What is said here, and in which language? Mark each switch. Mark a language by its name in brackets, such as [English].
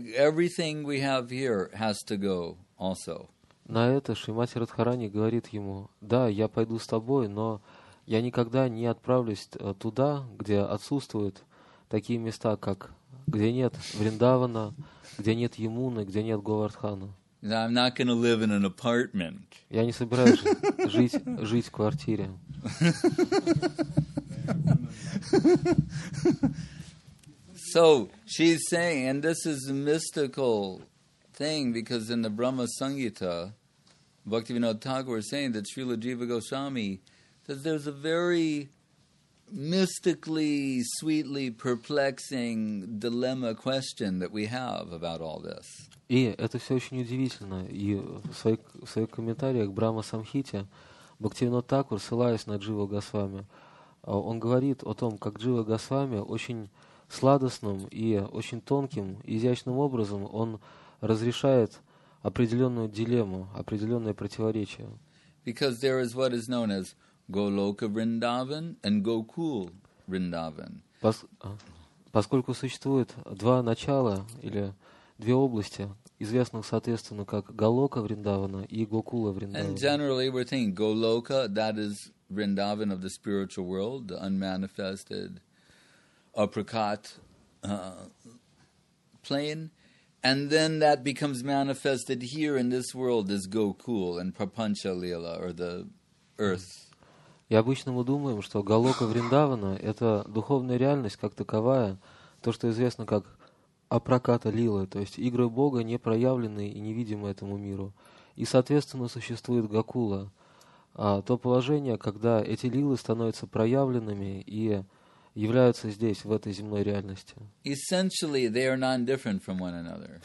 [English] Everything we have here has to go also. [Russian] На это Шримати Радхарани говорит ему, да, я пойду с тобой, но я никогда не отправлюсь туда, где отсутствуют такие места, как где нет Вриндавана, где нет Ямуны, где нет Говардхана. [English] I'm not going to live in an apartment. [Russian] Я не собираюсь жить в квартире. [English] So she's saying, and this is a mystical thing, because in the Brahma Sangita, Bhaktivinoda Thakur was saying that Srila Jiva Goswami, that there's a very mystically, sweetly perplexing dilemma question that we have about all this. [Russian] И это все очень удивительно. И в своих комментариях к Брахма Самхите Бхактивинода Такур, ссылаясь на Джива Госвами, он говорит о том, как Джива Госвами очень сладостным и очень тонким, изящным образом он разрешает определенную дилемму, определенное противоречие. [English] Because there is what is known as Goloka Vrindavan and Gokul Vrindavan. [Russian] Поскольку существует два начала или две области, известных, соответственно, как Голока Вриндавана и Гокула Вриндавана. [English] And generally we're thinking Goloka, that is Vrindavan of the spiritual world, the unmanifested, apricot plane. And then that becomes manifested here in this world as Gokul and Prapancha Lila, or the earth. [Russian] И обычно мы думаем, что Голока Вриндавана — это духовная реальность как таковая, то, что известно как Апраката Лила, то есть игры Бога, не проявленные и невидимые этому миру. И, соответственно, существует Гокула, то положение, когда эти лилы становятся проявленными и являются здесь, в этой земной реальности. [English] Essentially, they are non-different from one another.